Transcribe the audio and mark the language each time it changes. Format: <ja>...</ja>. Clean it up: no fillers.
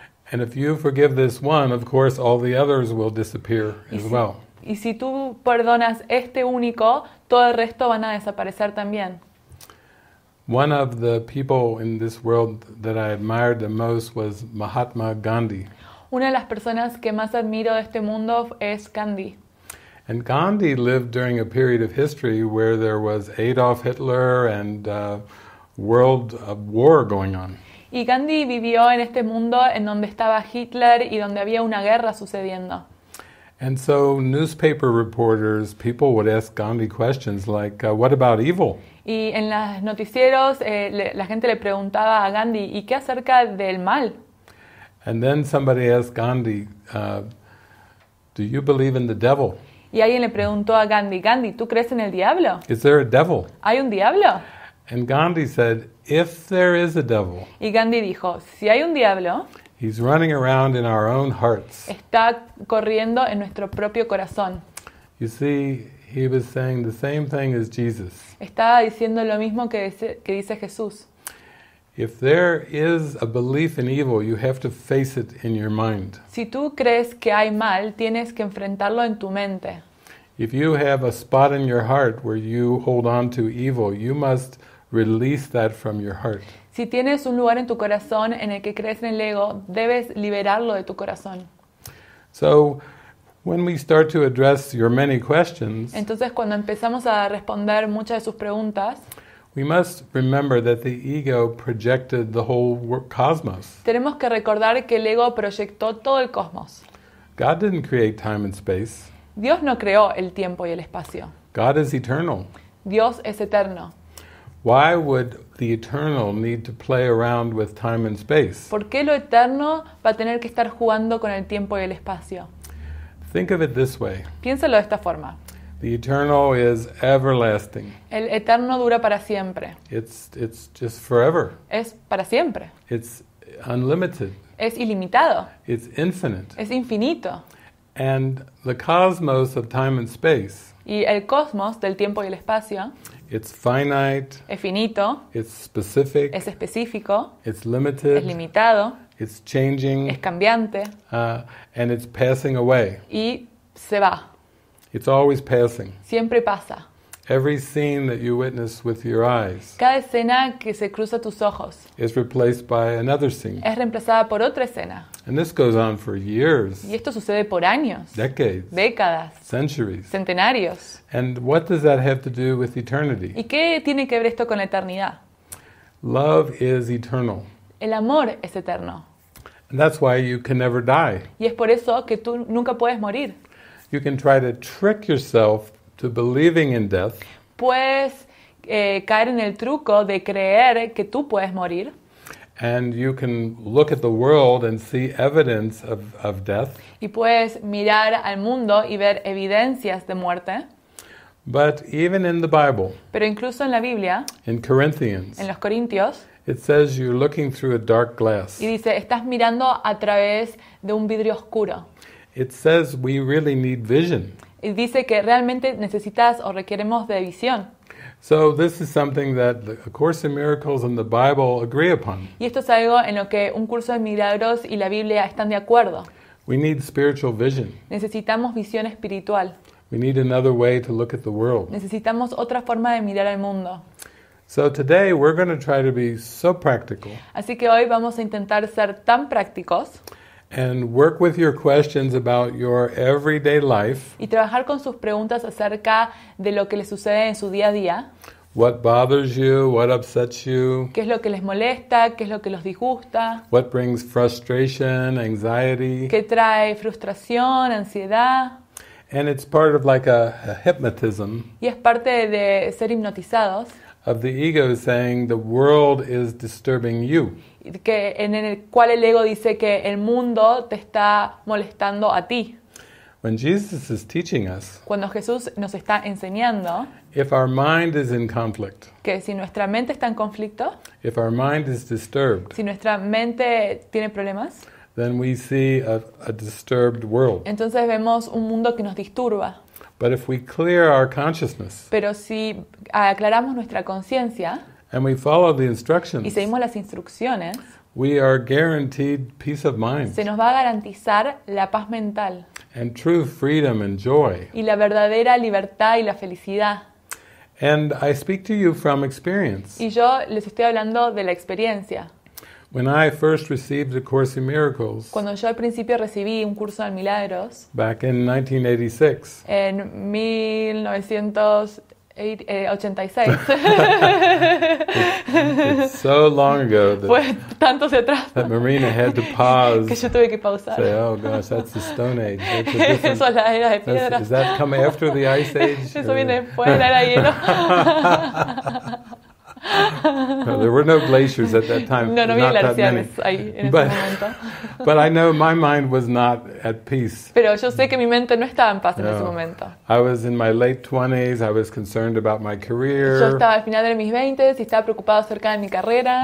<en>And if you forgive this one, of course, all the others will disappear as well.</en> <es>Y si tú perdonas este único, todo el resto van a desaparecer también.</es> <en>One of the people in this world that I admired the most was Mahatma Gandhi.</en> <es>Una de las personas que más admiro de este mundo es Gandhi.</es> <en>And Gandhi lived during a period of history where there was Adolf Hitler and world of war going on.</en> <es>Y Gandhi vivió en este mundo en donde estaba Hitler y donde había una guerra sucediendo.</es> <en>And so newspaper reporters, people would ask Gandhi questions like, what about evil?</en> <es>Y en los noticieros la gente le preguntaba a Gandhi, ¿y qué acerca del mal?</es> <en>And then somebody asked Gandhi, do you believe in the devil?</en> <es>Y alguien le preguntó a Gandhi, ¿tú crees en el diablo?</es> <en>Is there a devil?</en> <es>¿Hay un diablo?</es> <en>And Gandhi said, if there is a devil.</en> <es>Y Gandhi dijo, si hay un diablo.</es> <en>He's running around in our own hearts.</en> <es>Está corriendo en nuestro propio corazón.</es> <en>You see, he was saying the same thing as Jesus.</en> <es>Estaba diciendo lo mismo que dice Jesús.</es> <en>If there is a belief in evil, you have to face it in your mind.</en> <es>Si tú crees que hay mal, tienes que enfrentarlo en tu mente.</es> <en>If you have a spot in your heart where you hold on to evil, you must release that from your heart.</en> <es>Si tienes un lugar en tu corazón en el que crees en el ego, debes liberarlo de tu corazón.</es> <en>So, when we start to address your many questions,</en> <es>entonces cuando empezamos a responder muchas de sus preguntas,</es> <en>we must remember that the ego projected the whole cosmos.</en> <es>Tenemos que recordar que el ego proyectó todo el cosmos.</es> <en>God didn't create time and space.</en> <es>Dios no creó el tiempo y el espacio.</es> <en>God is eternal.</en> <es>Dios es eterno.</es> <en>Why would the eternal need to play around with time and space?</en> <es>¿Por qué lo eterno va a tener que estar jugando con el tiempo y el espacio?</es> <en>Think of it this way.</en> <es>Piénsalo de esta forma.</es> <en>The eternal is everlasting.</en> <es>El eterno dura para siempre.</es> <en>It's just forever.</en> <es>Es para siempre.</es> <en>It's unlimited.</en> <es>Es ilimitado.</es> <en>It's infinite.</en> <es>Es infinito.</es> <en>And the cosmos of time and space.</en> <es>Y el cosmos del tiempo y el espacio.</es> <en>It's finite.</en> <es>Es finito.</es> <en>It's specific.</en> <es>Es específico.</es> <en>It's limited.</en> <es>Es limitado.</es> <en>It's changing.</en> <es>Es cambiante.</es> <en>And it's passing away.</en> <es>Y se va.</es> <en>It's always passing.</en> <es>Siempre pasa.</es> <en>Every scene that you witness with your eyes.</en> <es>Cada escena que se cruza tus ojos.</es> <en>Is replaced by another scene.</en> <es>Es reemplazada por otra escena.</es> <en>And this goes on for years.</en> <es>Y esto sucede por años.</es> <en>Decades.</en> <es>Décadas.</es> <en>Centuries.</en> <es>Centenarios.</es> <en>And what does that have to do with eternity?</en> <es>¿Y qué tiene que ver esto con la eternidad?</es> <en>Love is eternal.</en> <es>El amor es eterno.</es> <en>And that's why you can never die.</en> <es>Y es por eso que tú nunca puedes morir.</es> <en>You can try to trick yourself to believing in death.</en> <es>puedes caer en el truco de creer que tú puedes morir.</es> <en>And you can look at the world and see evidence of death.</en> <es>Y puedes mirar al mundo y ver evidencias de muerte.</es> <en>But even in the Bible.</en> <es>Pero incluso en la Biblia.</es> <en>In Corinthians.</en> <es>En los Corintios.</es> <en>It says you're looking through a dark glass.</en> <es>Y dice, estás mirando a través de un vidrio oscuro.</es> <en>It says we really need vision.</en> <es>Y dice que realmente necesitas o requerimos de visión.</es> <en>So this is something that the Course in Miracles and the Bible agree upon.</en> <es>Y esto es algo en lo que un curso de milagros y la Biblia están de acuerdo.</es> <en>We need spiritual vision.</en> <es>Necesitamos visión espiritual.</es> <en>We need another way to look at the world.</en> <es>Necesitamos otra forma de mirar al mundo.</es> <en>So today we're going to try to be so practical.</en> <es>Así que hoy vamos a intentar ser tan prácticos.</es> <en>And work with your questions about your everyday life.</en> <es>Y trabajar con sus preguntas acerca de lo que les sucede en su día a día.</es> <en>What bothers you? What upsets you?</en> <es>¿Qué es lo que les molesta? ¿Qué es lo que los disgusta?</es> <en>What brings frustration, anxiety?</en> <es>¿Qué trae frustración, ansiedad?</es> <en>And it's part of like a hypnotism.</en> <es>Y es parte de ser hipnotizados.</es> <en>Of the ego saying the world is disturbing you.</en> <es>Que en el cual el ego dice que el mundo te está molestando a ti.</es> <en>When Jesus is teaching us,</en> <es>cuando Jesús nos está enseñando,</es> <en>if our mind is in conflict,</en> <es>que si nuestra mente está en conflicto,</es> <en>if our mind is disturbed,</en> <es>si nuestra mente tiene problemas,</es> <en>then we see a disturbed world.</en> <es>Entonces vemos un mundo que nos disturba.</es> <en>But if we clear our consciousness,</en> <es>pero si aclaramos nuestra conciencia,</es> <en>and we follow the instructions,</en> <es>y seguimos las instrucciones,</es> <en>we are guaranteed peace of mind.</en> <es>Se nos va a garantizar la paz mental.</es> <en>And true freedom and joy.</en> <es>Y la verdadera libertad y la felicidad.</es> <en>And I speak to you from experience.</en> <es>Y yo les estoy hablando de la experiencia.</es> <en>When I first received the Course in Miracles,</en> <es>cuando yo al principio recibí un curso de milagros,</es> <en>back in 1986.</en> <es>En 1986.</es> <en>It's so long ago that,</en> <es>fue tanto hacia atrás,</es> <en>that Marina had to pause.</en> <es>Que yo tuve que pausar.</es> <en>Say, oh gosh, that's the Stone Age.</en> <es>Eso es la era de piedra.</es> <en>Does that come after the Ice Age?</en> <es>Eso viene después de la era de hielo.</es> <en>No, there were no glaciers at that time.</en> <es>No, no había glaciares ahí en ese</es> <en>But I know my mind was not at peace.</en> <es>Pero yo sé que mi mente no estaba en paz en ese momento.</es> <en>I was in my late 20s. I was concerned about my career.</en> <es>Yo estaba al final de mis 20s y estaba preocupado acerca de mi carrera.</es>